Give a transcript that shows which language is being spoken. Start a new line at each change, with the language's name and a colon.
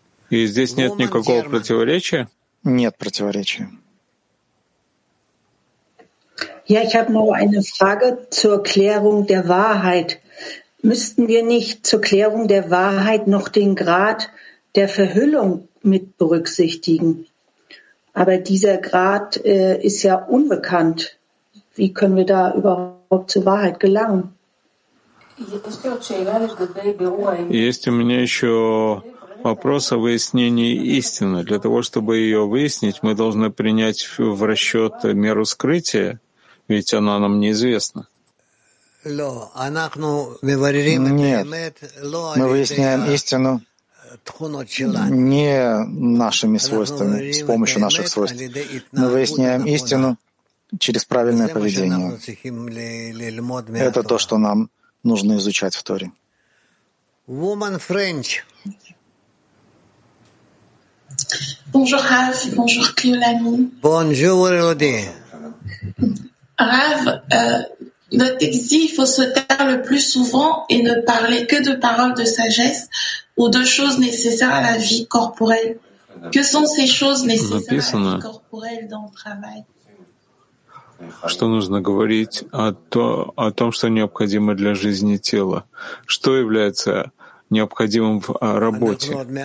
Russian: И здесь нет никакого противоречия? Нет противоречия. Я хочу еще один вопрос к
German: erklärung der Wahrheit. Müssten wir nicht zur Klärung der Wahrheit noch den Grad der Verhüllung mit berücksichtigen? Aber dieser Grad ist ja unbekannt. Wie können wir da überhaupt zur Wahrheit gelangen?
Russian: Есть у меня еще вопрос о выяснении истины. Для того, чтобы ее выяснить, мы должны принять в расчет меру скрытия, ведь она нам неизвестна. Нет, мы выясняем истину не нашими свойствами, с помощью наших свойств. Мы выясняем истину через правильное поведение. Это то, что нам нужно изучать в Торе.
English: Woman French.
French: Bonjour, Rav. Bonjour, Kiolani. Bonjour, Rodi. Rav, notre exil, il faut se taire le plus souvent et ne parler que de paroles de sagesse ou de choses nécessaires à la vie corporelle. Que sont ces choses nécessaires à la vie corporelle dans le travail?
Russian: Что нужно говорить о том, что необходимо для жизни тела? Что является необходимым в работе?